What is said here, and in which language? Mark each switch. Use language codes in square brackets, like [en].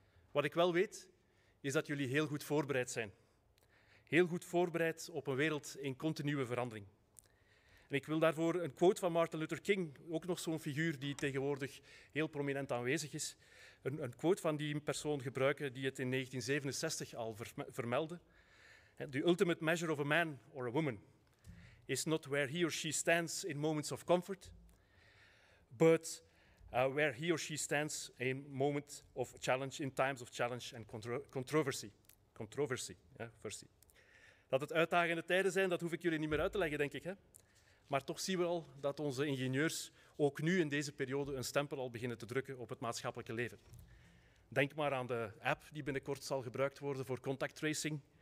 [nl] Wat ik wel weet, is dat jullie heel goed voorbereid zijn. Heel goed voorbereid op een wereld in continue verandering. En ik wil daarvoor een quote van Martin Luther King, ook nog zo'n figuur die tegenwoordig heel prominent aanwezig is, een quote van die persoon gebruiken die het in 1967 al vermeldde. [en] The ultimate measure of a man or a woman is not where he or she stands in moments of comfort, but where he or she stands in moments of challenge, in times of challenge and controversy. [nl] Controversy, ja, versie. Dat het uitdagende tijden zijn, dat hoef ik jullie niet meer uit te leggen, denk ik, hè? Maar toch zien we al dat onze ingenieurs ook nu in deze periode een stempel al beginnen te drukken op het maatschappelijke leven. Denk maar aan de app die binnenkort zal gebruikt worden voor contact tracing.